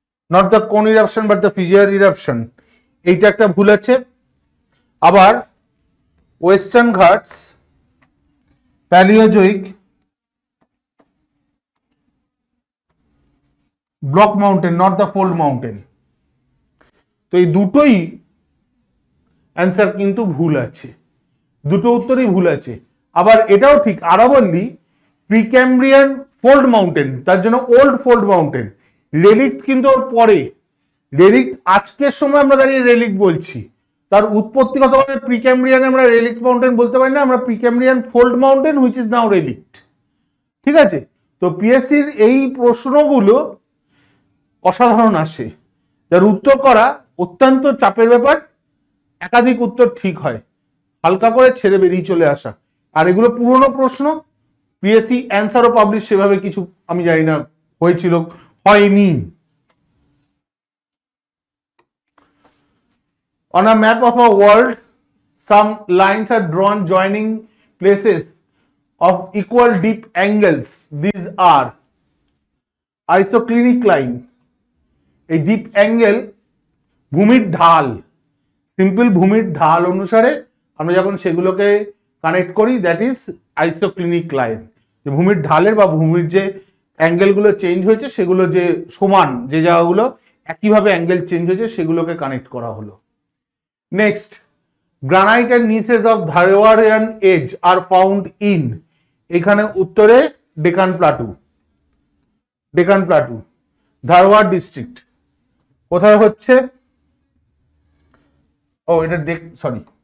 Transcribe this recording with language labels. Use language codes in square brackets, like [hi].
[en] not the cone eruption but the fissure eruption. [bn] এইটা একটা ভুল আছে। আবার western Ghats প্যালিওজোইক block mountain not the fold mountain, তো এই দুটোই অ্যান্সার কিন্তু ভুল আছে, দুটো উত্তরই ভুল আছে। আবার এটাও ঠিক, আরাবল্লি প্রিক্যাম্ব্রিয়ান ফোল্ড মাউন্টেন, তার জন্য ওল্ড ফোল্ড মাউন্টেন, রেলিক্ট কিন্তু ওর পরে, রেলিক্ট আজকের সময় আমরা দাঁড়িয়ে রেলিক্ট বলছি, তার উৎপত্তিগতভাবে প্রিক্যাম্ব্রিয়ান আমরা রেলিক্ট মাউন্টেন বলতে পারি না, আমরা Precambrian fold mountain [en] Which is now relict. [bn] ঠিক আছে, তো পিএসসির এই প্রশ্নগুলো অসাধারণ আসে, যার উত্তর করা অত্যন্ত চাপের ব্যাপার, একাধিক উত্তর ঠিক হয়, হালকা করে ছেড়ে বেরিয়ে চলে আসা। আর এগুলো পুরনো প্রশ্ন, পিএসসি অ্যান্সারও পাবলিশ সেভাবে কিছু আমি জানি না হয়েছিল হয়নি। [en] On a map of a world, some lines are drawn joining places of equal deep angles. These are isoclinic line, a deep angle, [bn] ভূমির ঢাল, simple ভূমির ঢাল অনুসারে আমরা যখন সেগুলোকে কানেক্ট করি, [en] that is isoclinic line. [bn] যে ভূমির ঢালের বা ভূমির যে অ্যাঙ্গেলগুলো চেঞ্জ হয়েছে সেগুলো যে সমান, যে জায়গাগুলো একইভাবে অ্যাঙ্গেল চেঞ্জ হয়েছে সেগুলোকে কানেক্ট করা হলো। Next, [en] granite and gneisses of Dharwarian age are found in, [bn] এখানে উত্তরে Deccan plateau, Deccan plateau ধারওয়ার district, কোথায় হচ্ছে, ও এটা ডেক, সরি